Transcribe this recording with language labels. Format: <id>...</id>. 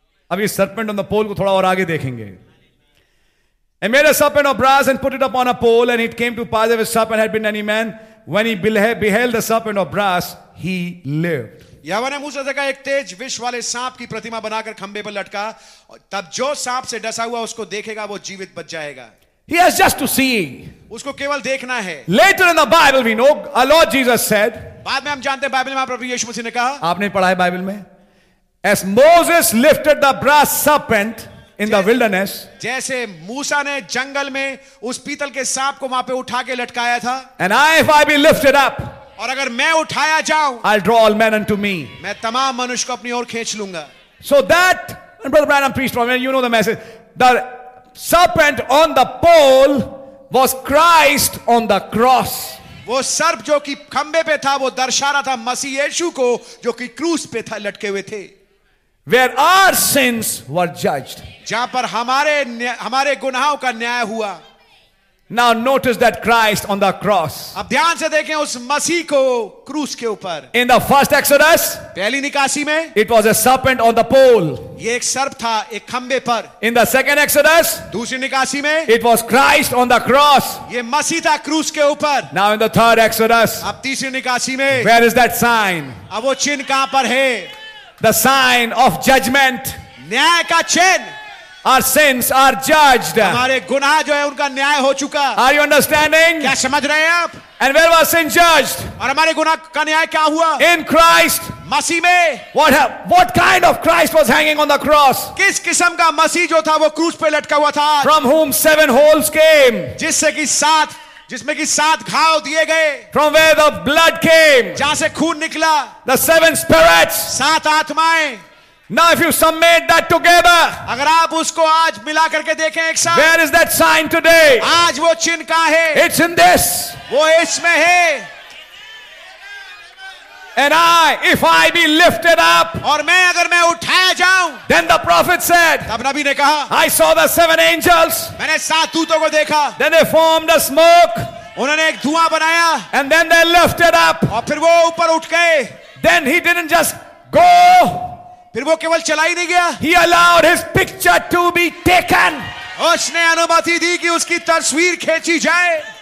<hi>अब ये serpent on the पोल को थोड़ा और आगे देखेंगे.</hi> <en>A made a serpent of brass and put it upon a pole and it came to pass that the serpent had been any man when he beheld the serpent of brass he lived.</en> <hi>यहोवा ने मूसा से कहा एक तेज विष वाले सांप की प्रतिमा बनाकर खंबे पर लटका, तब जो सांप से डसा हुआ उसको देखेगा वो जीवित बच जाएगा.</hi> <en>He has just to see.</en> <hi>उसको केवल देखना है.</hi> <en>Later in the Bible, we know our Lord Jesus said.</en> <hi>बाद में हम जानते हैं बाइबल में प्रभु यीशु मसीह ने कहा. आपने पढ़ा है बाइबल में.</hi> <en>As Moses lifted the brass serpent. in the wilderness.</en> <hi>जैसे मूसा ने जंगल में उस पीतल के सांप को वहां पे उठा के लटकाया था.</hi> <en>And I, if I be lifted up,</en> <hi>और अगर मैं उठाया जाऊं,</hi> <en>I'll draw all men unto me.</en> <hi>मैं तमाम मनुष्य को अपनी ओर खींच लूंगा.</hi> <en>So that, and Brother Branham preached from, you know the message, the serpent on the pole was Christ on the cross.</en> <hi>वो सर्प जो कि खंबे पे था वो दर्शा रहा था मसीह यीशु को जो कि क्रूस पे था लटके हुए थे.</hi> <en>Where our sins were judged.</en> <hi>जहां पर हमारे गुनाहों का न्याय हुआ.</hi> <en>Now notice that Christ on the cross.</en> <hi>अब ध्यान से देखें उस मसीह को क्रूस के ऊपर.</hi> <en>In the first Exodus,</en> <hi>पहली निकासी में,</hi> <en>it was a serpent on the pole.</en> <hi>ये एक सर्प था एक खंबे पर.</hi> <en>In the second Exodus,</en> <hi>दूसरी निकासी में,</hi> <en>it was Christ on the cross.</en> <hi>ये मसीह था क्रूस के ऊपर.</hi> <en>Now in the third Exodus,</en> <hi>अब तीसरी निकासी में,</hi> <en>where is that sign?</en> <hi>अब वो चिन्ह कहां पर है?</hi> <en>The sign of judgment.</en> <hi>न्याय का चिन्ह.</hi> <en>Our sins are judged.</en> <hi>हमारे गुनाह जो है उनका न्याय हो चुका.</hi> <en>Are you understanding?</en> <hi>क्या समझ रहे हैं आप?</hi> <en>And where was sin judged?</en> <hi>और हमारे गुनाह का न्याय क्या हुआ?</hi> <en>In Christ.</en> <hi>मसीह में.</hi> <en>What kind of Christ was hanging on the cross?</en> <hi>किस किस्म का मसीह जो था वो क्रूस पे लटका हुआ था?</hi> <en>From whom seven holes came?</en> <hi>जिसमें कि सात घाव दिए गए.</hi> <en>From where the blood came?</en> <hi>जहां से खून निकला.</hi> <en>The seven spirits.</en> <hi>सात आत्माएं.</hi> <en>Now if you summate that together,</en> <hi>अगर आप उसको आज मिला करके देखें एक साथ,</hi> <en>where is that sign today?</en> <hi>आज वो चिन्ह कहाँ है?</hi> <en>It's in this.</en> <hi>वो इसमें है.</hi> <en>And I, if I be lifted up,</en> <hi>और मैं अगर मैं उठाया जाऊं,</hi> <en>then the prophet said,</en> <hi>तब नबी ने कहा,</hi> <en>I saw the seven angels,</en> <hi>मैंने सात दूतों को देखा,</hi> <en>then they formed a smoke,</en> <hi>उन्होंने एक धुआं बनाया,</hi> <en>and then they lifted up,</en> <hi>और फिर वो ऊपर उठ गए,</hi> <en>then he didn't just go.</en> <hi>फिर वो केवल चला ही नहीं गया.</hi> <en>He allowed his picture to be taken.</en> <hi>उसने अनुमति दी कि उसकी तस्वीर खींची जाए.</hi>